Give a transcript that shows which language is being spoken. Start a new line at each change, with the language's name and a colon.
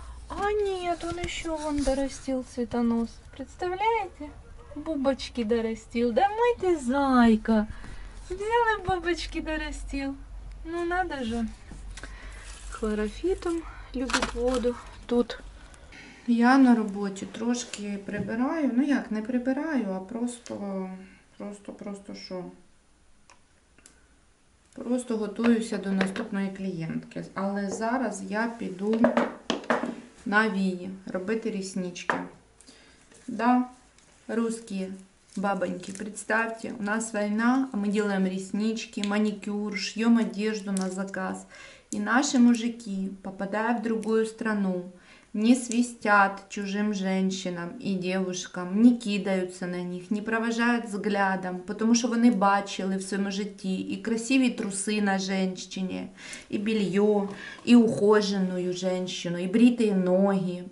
Russian: А нет, он еще вон дорастил цветонос. Представляете? Бубочки дорастил. Да мой ты зайка. Взял и бубочки дорастил. Ну надо же. Хлорофитом любит воду. Тут я на работе трошки прибираю.
Ukrainian: Ну як, не прибираю, а просто що? Просто готуюся до наступної клієнтки. Але зараз я піду на Вії робити ріснички. Да, русські бабоньки, представьте, у нас війна, а ми робимо ріснички, манікюр,
Russian: шьем одежду на заказ.
Ukrainian: І наші мужики,
Russian: попадая в другую страну, не свистят чужим женщинам и девушкам, не кидаются на них, не провожают взглядом, потому что
Ukrainian: вони бачили в своем житті
Russian: и красивые трусы на женщине, и белье, и ухоженную женщину, и бритые ноги.